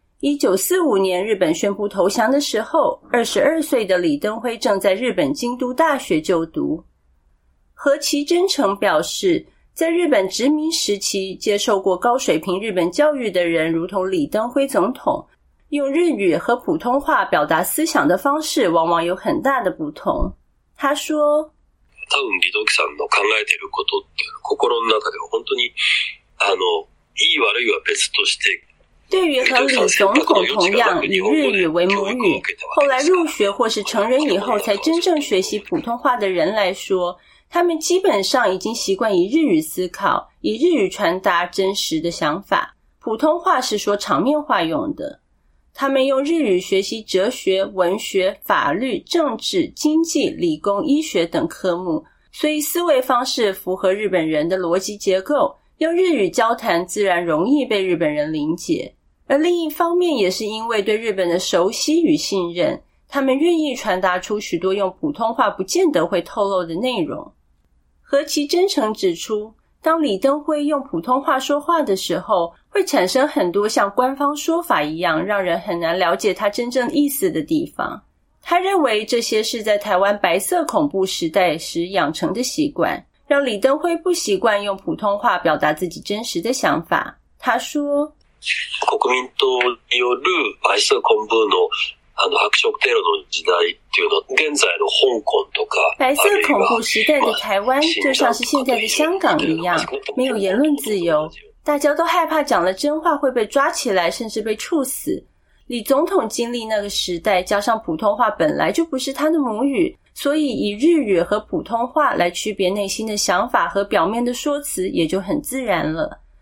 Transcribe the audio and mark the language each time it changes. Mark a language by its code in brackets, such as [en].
[zh] 1945年日本宣布投降的时候，22岁的李登辉正在日本京都大学就读。何其真诚表示，在日本殖民时期接受过高水平日本教育的人，如同李登辉总统，用日语和普通话表达思想的方式往往有很大的不同。他说， [ja] 多分李登輝さんの考えてることっていうの心の中では本当にいい悪いは別として、 [zh] 对于和李总统同样以日语为母语，后来入学或是成人以后才真正学习普通话的人来说，他们基本上已经习惯以日语思考，以日语传达真实的想法，普通话是说场面话用的。他们用日语学习哲学、文学、法律、政治、经济、理工、医学等科目，所以思维方式符合日本人的逻辑结构，用日语交谈自然容易被日本人理解。而另一方面也是因为对日本的熟悉与信任，他们愿意传达出许多用普通话不见得会透露的内容。何其真诚指出，当李登辉用普通话说话的时候，会产生很多像官方说法一样让人很难了解他真正意思的地方。他认为这些是在台湾白色恐怖时代时养成的习惯，让李登辉不习惯用普通话表达自己真实的想法。他说， [ja] 国民党による白色恐怖の白色テロの時代っていうの、現在の香港とか、 [zh] 白色恐怖时代的台湾就像是现在的香港一样，没有言论自由，大家都害怕讲了真话会被抓起来甚至被处死。李总统经历那个时代，加上普通话本来就不是他的母语，所以以日语和普通话来区别内心的想法和表面的说辞也就很自然了。